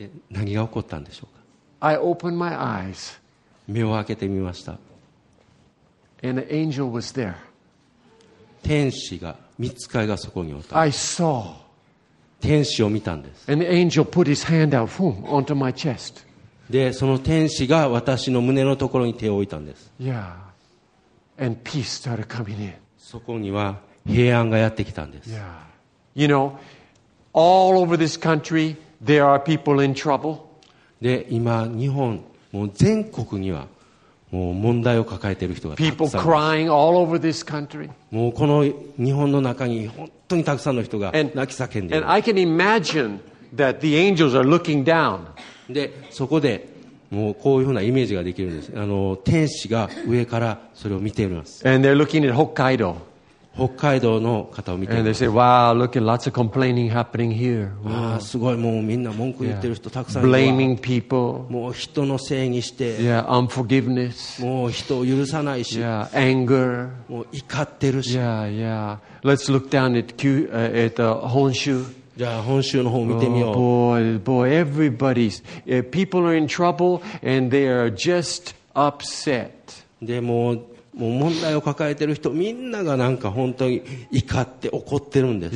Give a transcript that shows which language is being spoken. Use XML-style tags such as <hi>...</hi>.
<ja>何が起こったんでしょうか。</ja> <en>I opened my eyes.</en> <ja>目を開けてみました。</ja> <en>And an angel was there.</en> <ja>天使が、御使いがそこにおった。</ja> <en>I saw.</en> <ja>天使を見たんです。</ja> <en>And the angel put his hand out, boom, onto my chest.</en> <ja>で、その天使が私の胸のところに手を置いたんです。</ja> <en>Yeah. And peace started coming in.</en> <ja>そこには平安がやってきたんです。</ja> <en>Yeah. You know, all over this country. There are people in trouble.</en> <ja>で、今日本もう全国にはもう問題を抱えている人がたくさん。</ja> <en>People crying all over this country.</en> <ja>もうこの日本の中に本当にたくさんの人が泣き叫んでいる。</ja> <en>And I can imagine that the angels are looking down.</en> <ja>で、そこでもうこういうふうなイメージができるんです。天使が上からそれを見ています。</ja> <en>And they're looking at Hokkaido.</en> <ja>北海道の方を見ています。</ja> <en>And they say, wow, look at lots of complaining happening here. Wow.</en> <ja>ああ、すごい。もうみんな文句言ってる人たくさんいる。</ja> <en>Blaming people.</en> <ja>もう人のせいにして。</ja> <en>Yeah, unforgiveness.</en> <ja>もう人を許さないし。</ja> <en>Yeah, anger.</en> <ja>もう怒ってるし。</ja> <en>Yeah, yeah. Let's look down at Honshu.</en> <ja>じゃあ本州の方を見てみよう。</ja> <en>Oh, boy, boy, everybody's, people are in trouble and they are just upset.</en> <ja>でも、もう問題を抱えてる人みんながなんか本当に怒って怒ってるんです。</ja>